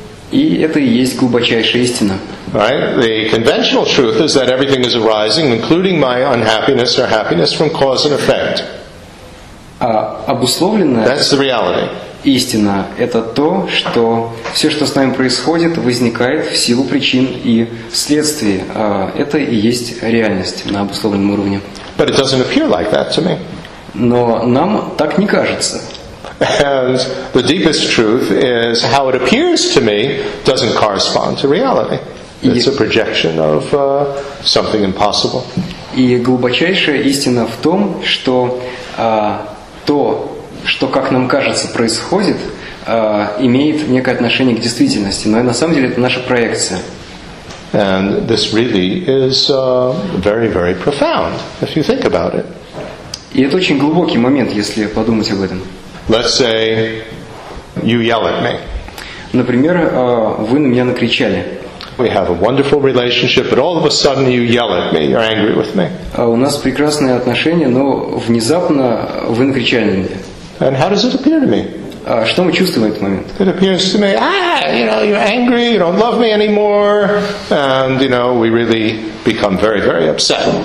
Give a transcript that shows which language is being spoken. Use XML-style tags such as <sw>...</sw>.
<ru>И это и есть глубочайшая истина.</ru> <en>Right? The conventional truth is that everything is arising, including my unhappiness or happiness, from cause and effect.</en> <ru>Обусловленная.</ru> <en>That's the reality.</en> <ru>Истина – это то, что все, что с нами происходит, возникает в силу причин и следствий. Это и есть реальность на обусловленном уровне.</ru> <en>But it doesn't appear like that to me.</en> <ru>Но нам так не кажется.</ru> <en>And the deepest truth is how it appears to me doesn't correspond to reality. It's a projection of something impossible.</en> <ru>И глубочайшая истина в том, что то, что, как нам кажется, происходит, имеет некое отношение к действительности. Но на самом деле это наша проекция.</ru> <en>And this really is very, very profound, if you think about it.</en> <ru>И это очень глубокий момент, если подумать об этом.</ru> <en>Let's say you yell at me.</en> <ru>Например, вы на меня накричали.</ru> <en>We have a wonderful relationship, but all of a sudden you yell at me, you're angry with me.</en> <ru>У нас прекрасные отношения, но внезапно вы накричали на меня.</ru> <en>And how does it appear to me?</en> <ru>Что мы чувствуем в этот момент?</ru> <en>It appears to me, you know, you're angry, you don't love me anymore, and, you know, we really become very, very upset.</en>